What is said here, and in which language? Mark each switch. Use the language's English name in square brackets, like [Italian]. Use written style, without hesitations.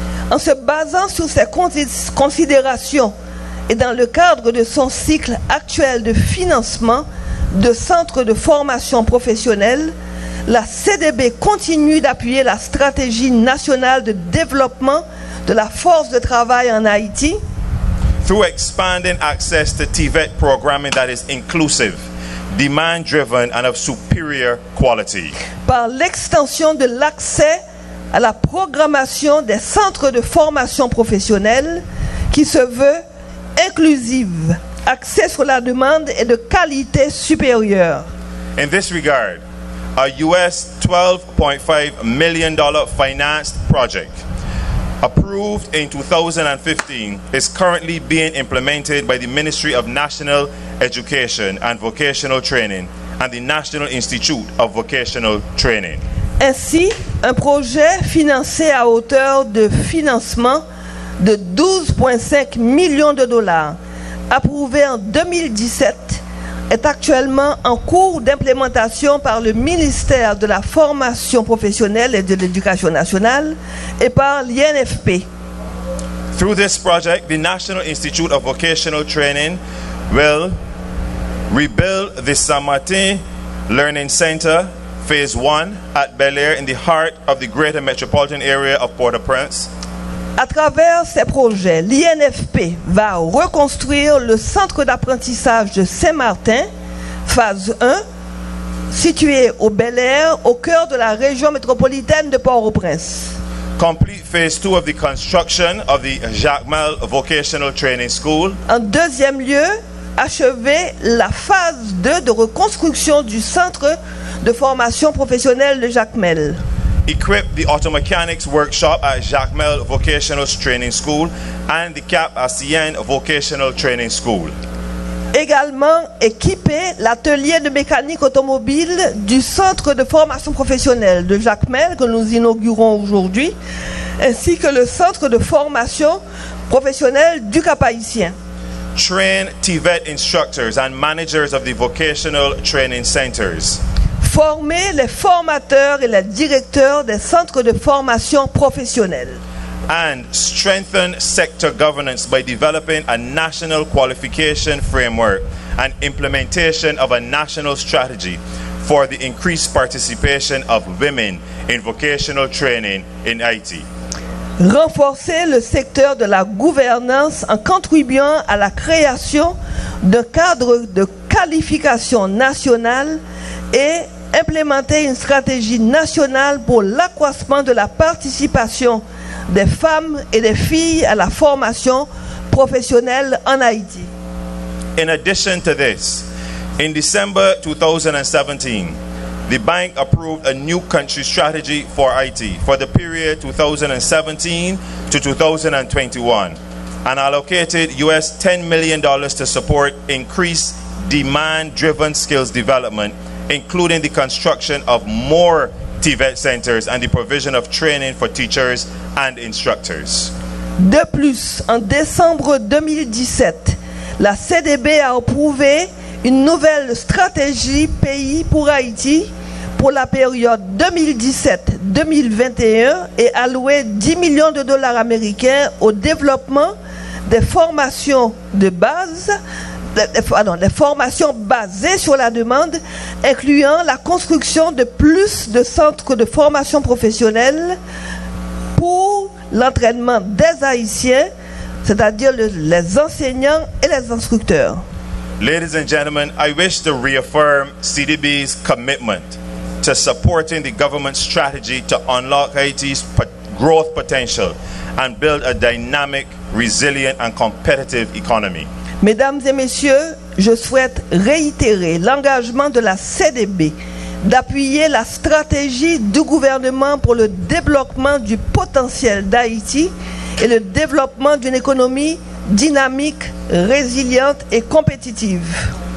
[French] En se basant sur ces considérations et dans le cadre de son cycle actuel de financement de centres de formation professionnelle, la CDB continue d'appuyer la stratégie nationale de développement de la force de travail en Haïti. [English] Through expanding access to TVET programming that is inclusive, demand-driven and of superior quality. [French] Par l'extension de l'accès à la programmation des centres de formation professionnelle qui se veut inclusive, axée sur la demande et de qualité supérieure. [English] In this regard, a US $12.5 million financed project approved in 2015 is currently being implemented by the Ministry of National Education and Vocational Training and the National Institute of Vocational Training. [French] Ainsi, un projet financé à hauteur de financement de 12,5 millions de dollars, approuvé en 2017, est actuellement en cours d'implémentation par le ministère de la Formation professionnelle et de l'Éducation nationale et par l'INFP. [English] Through this project, the National Institute of Vocational Training will rebuild the Saint-Martin Learning Center Phase 1 at Bel Air in the heart of the greater metropolitan area of Port-au-Prince. [French] À travers ces projets, l'INFP va reconstruire le centre d'apprentissage de Saint-Martin, phase 1, situé au Bel Air, au cœur de la région métropolitaine de Port-au-Prince. [English] Complete phase 2 of the construction of the Jacmel Vocational Training School. [French] En deuxième lieu, achever la phase 2 de reconstruction du centre de formation professionnelle de Jacmel. [English] Equip the auto mechanics workshop at Jacmel Vocational Training School and the CAP ACN Vocational Training School. [French] Également équiper l'atelier de mécanique automobile du centre de formation professionnelle de Jacmel que nous inaugurons aujourd'hui, ainsi que le centre de formation professionnelle du Cap-Haïtien. [English] Train TVET instructors and managers of the vocational training centers. [French] Former les formateurs et les directeurs des centres de formation professionnelle. [English] And strengthen sector governance by developing a national qualification framework and implementation of a national strategy for the increased participation of women in vocational training in Haiti. [French] Renforcer le secteur de la gouvernance en contribuant à la création d'un cadre de qualification nationale et implémenter une stratégie nationale pour l'accroissement de la participation des femmes et des filles à la formation professionnelle en Haïti. [English] In addition to this, in December 2017, the bank approved a new country strategy for Haiti for the period 2017 to 2021 and allocated US $10 million to support increased demand-driven skills development, including the construction of more TVET centers and the provision of training for teachers and instructors. [French] De plus, en décembre 2017, la CDB a approuvé une nouvelle stratégie pays pour Haïti pour la période 2017-2021 et alloué 10 millions de dollars américains au développement des formations de base, des formations basées sur la demande, incluant la construction de plus de centres de formation professionnelle pour l'entraînement des Haïtiens, c'est-à-dire les enseignants et les instructeurs. [English] Ladies and gentlemen, I wish to reaffirm CDB's commitment to supporting the government's strategy to unlock Haiti's growth potential and build a dynamic, resilient and competitive economy. [French] Mesdames et messieurs, je souhaite réitérer l'engagement de la CDB d'appuyer la stratégie du gouvernement pour le développement du potentiel d'Haïti et le développement d'une économie dynamique, résiliente et compétitive.